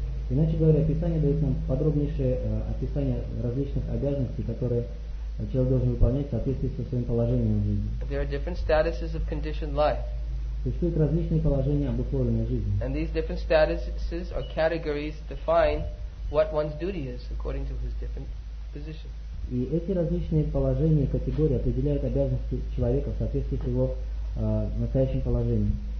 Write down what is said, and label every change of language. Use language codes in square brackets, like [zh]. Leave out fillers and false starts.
[ru] Иначе говоря, Писание дает нам подробнейшее описание различных обязанностей, которые человек должен выполнять в соответствии со своим положением в жизни. [en] There are different statuses of conditioned life. [ru] Существуют различные положения обусловленной жизни. [en] And these different statuses or categories define what one's duty is according to his different position. [ru] И эти различные положения и категории определяют обязанности человека в соответствии с его настоящим положением.